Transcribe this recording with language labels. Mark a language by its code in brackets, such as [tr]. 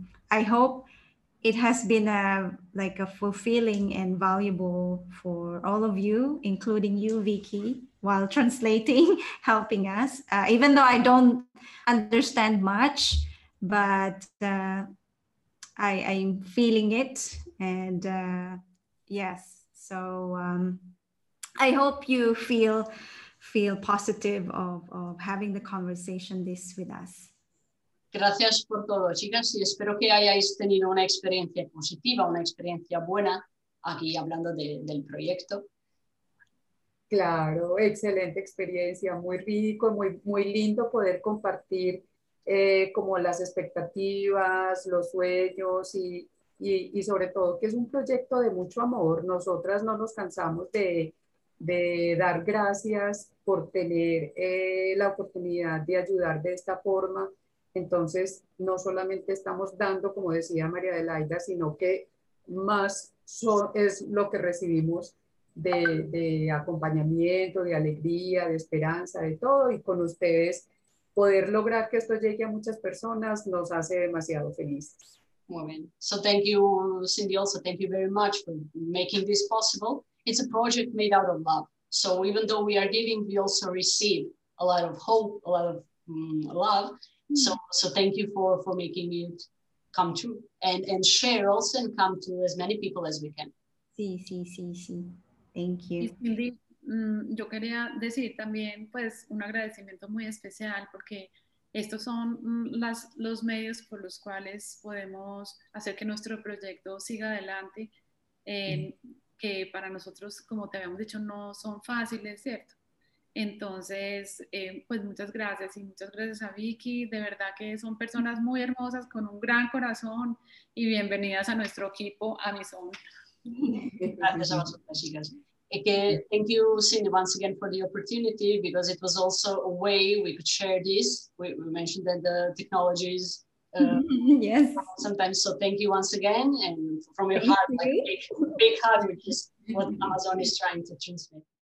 [en] I hope it has been a fulfilling and valuable for all of you, including you, Vicky, while translating, helping us, even though I don't understand much, but I'm feeling it. And yes, so I hope you feel positive of having the conversation this with us. [es] Gracias por todo, chicas, y espero que hayáis tenido una experiencia positiva, una experiencia buena aquí hablando del proyecto. Claro, excelente experiencia, muy rico, muy, muy lindo poder compartir como las expectativas, los sueños y sobre todo que es un proyecto de mucho amor. Nosotras no nos cansamos de dar gracias por tener la oportunidad de ayudar de esta forma. Entonces, no solamente estamos dando, como decía María Adelaida, sino que más es lo que recibimos de acompañamiento, de alegría, de esperanza, de todo. Y con ustedes, poder lograr que esto llegue a muchas personas nos hace demasiado felices. Muy bien. [en] So thank you, Cindy, also thank you very much for making this possible. It's a project made out of love. So even though we are giving, we also receive a lot of hope, a lot of love. So thank you for making it come true and share also and come to as many people as we can. Sí. Thank you. [es] Y Cindy, yo quería decir también pues un agradecimiento muy especial porque estos son los medios por los cuales podemos hacer que nuestro proyecto siga adelante, que para nosotros, como te habíamos dicho, no son fáciles, ¿cierto? Entonces, pues muchas gracias y muchas gracias a Vicky. De verdad que son personas muy hermosas con un gran corazón y bienvenidas a nuestro equipo, Amizón. Gracias a vosotras, chicas. [en] Thank you, Cindy, once again for the opportunity because it was also a way we could share this. We mentioned that the technologies. Yes. Sometimes, so thank you once again and from your heart, big hug, which is what Amizón is trying to transmit.